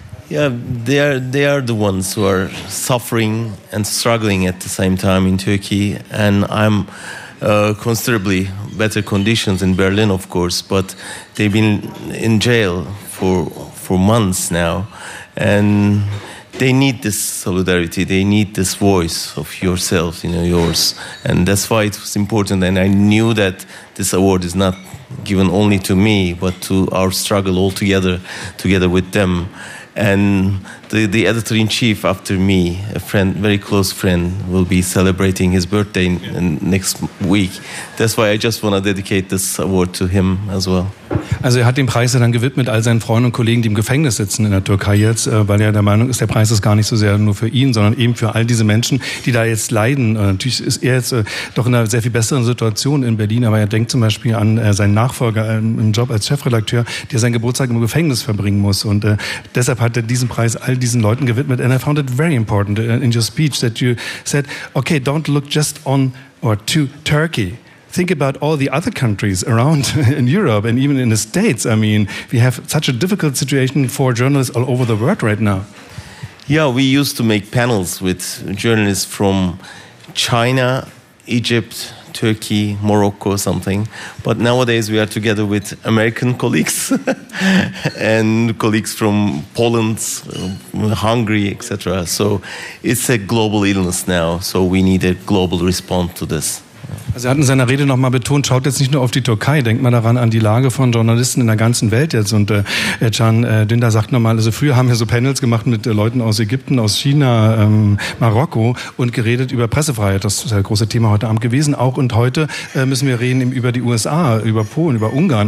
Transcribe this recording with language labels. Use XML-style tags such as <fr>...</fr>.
<en>Yeah, they are the ones who are suffering and struggling at the same time in Turkey, and I'm considerably better conditions in Berlin, of course, but they've been in jail for months now, and they need this solidarity, they need this voice of yourself, you know, yours, and that's why it was important, and I knew that this award is not given only to me, but to our struggle all together with them. And the editor-in-chief after me, a friend, very close friend, will be celebrating his birthday next week. That's why I just want to dedicate this award to him as well.</en> <de>Also er hat den Preis ja dann gewidmet all seinen Freunden und Kollegen, die im Gefängnis sitzen in der Türkei jetzt, weil er der Meinung ist, der Preis ist gar nicht so sehr nur für ihn, sondern eben für all diese Menschen, die da jetzt leiden. Und natürlich ist er jetzt doch in einer sehr viel besseren Situation in Berlin, aber er denkt zum Beispiel an seinen Nachfolger im Job als Chefredakteur, der seinen Geburtstag im Gefängnis verbringen muss. Und deshalb hat er diesen Preis all diesen Leuten gewidmet.</de> <en>And I found it very important in your speech that you said, okay, don't look just on or to Turkey. Think about all the other countries around in Europe and even in the States. I mean, we have such a difficult situation for journalists all over the world right now. Yeah, we used to make panels with journalists from China, Egypt, Turkey, Morocco, something. But nowadays we are together with American colleagues and colleagues from Poland, Hungary, etc. So it's a global illness now. So we need a global response to this.</en> <de>Also er hat in seiner Rede nochmal betont, schaut jetzt nicht nur auf die Türkei, denkt mal daran an die Lage von Journalisten in der ganzen Welt jetzt. Und Can Dündar sagt nochmal, also früher haben wir so Panels gemacht mit Leuten aus Ägypten, aus China, Marokko und geredet über Pressefreiheit. Das ist das große Thema heute Abend gewesen auch. Und heute müssen wir reden über die USA, über Polen, über Ungarn.</de>